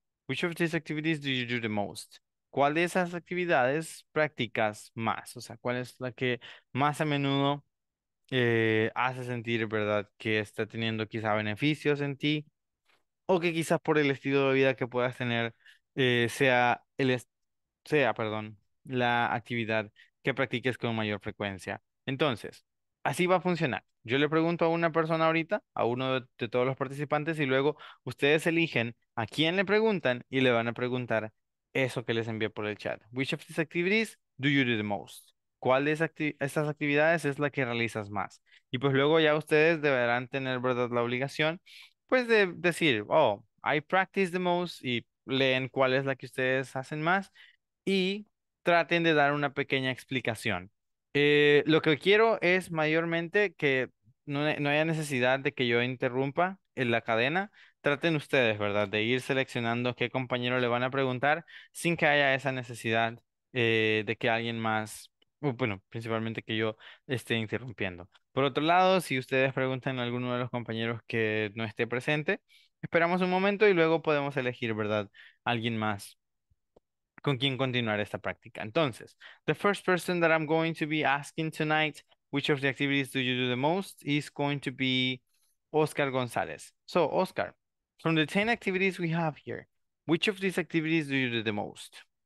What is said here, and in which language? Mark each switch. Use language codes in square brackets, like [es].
[en] Which of these activities do you do the most? [es] ¿Cuál de esas actividades practicas más? O sea, ¿cuál es la que más a menudo hace sentir, verdad, que está teniendo quizá beneficios en ti? O que quizás por el estilo de vida que puedas tener sea la actividad que practiques con mayor frecuencia. Entonces, así va a funcionar. Yo le pregunto a una persona ahorita, a uno de todos los participantes, y luego ustedes eligen a quién le preguntan y le van a preguntar eso que les envié por el chat. [en] Which of these activities do you do the most? [es] ¿Cuál de estas actividades es la que realizas más? Y pues luego ya ustedes deberán tener, ¿verdad?, la obligación, pues, de decir, oh, [en] I practice the most, [es] y leen cuál es la que ustedes hacen más, y traten de dar una pequeña explicación. Lo que quiero es mayormente que no haya necesidad de que yo interrumpa en la cadena. Traten ustedes, ¿verdad?, de ir seleccionando qué compañero le van a preguntar sin que haya esa necesidad de que alguien más, bueno, principalmente que yo esté interrumpiendo. Por otro lado, si ustedes preguntan a alguno de los compañeros que no esté presente, esperamos un momento y luego podemos elegir, ¿verdad?, alguien más con quién continuar esta práctica. [en] Entonces, the first person that I'm going to be asking tonight, which of the activities do you do the most, is going to be Oscar González. So, Oscar, from the 10 activities we have here, which of these activities do you do the most?